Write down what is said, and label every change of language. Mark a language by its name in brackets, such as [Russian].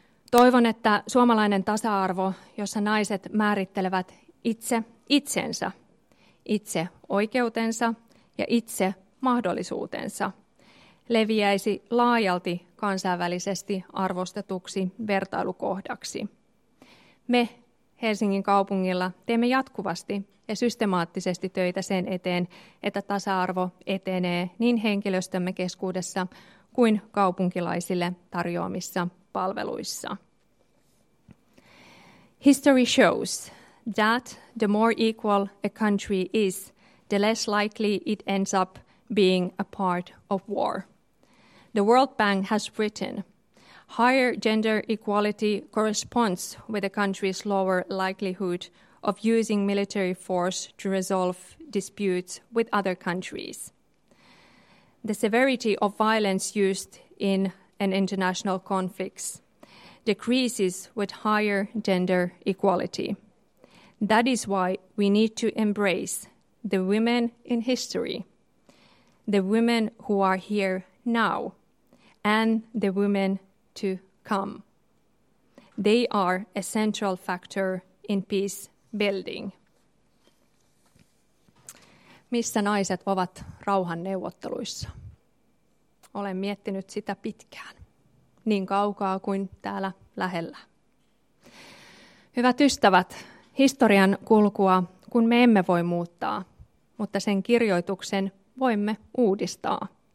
[Finnish] Toivon, että suomalainen tasa-arvo, jossa naiset määrittelevät itse itsensä, itse oikeutensa ja itse mahdollisuutensa, leviäisi laajalti kansainvälisesti arvostetuksi vertailukohdaksi. Me Helsingin kaupungilla teemme jatkuvasti ja systemaattisesti töitä sen eteen, että tasa-arvo etenee niin henkilöstömme keskuudessa kuin kaupunkilaisille tarjoamissa palveluissa. [English] History shows that the more equal a country is, the less likely it ends up being a part of war. The World Bank has written, higher gender equality corresponds with a country's lower likelihood of using military force to resolve disputes with other countries. The severity of violence used in an international conflict decreases with higher gender equality. That is why we need to embrace the women in history, the women who are here now, and the women to come. They are a central factor in peace building. [Finnish] Missä naiset ovat rauhan neuvotteluissa? Olen miettinyt sitä pitkään, niin kaukaa kuin täällä lähellä. Hyvät ystävät, historian kulkua kun me emme voi muuttaa, mutta sen kirjoituksen voimme uudistaa.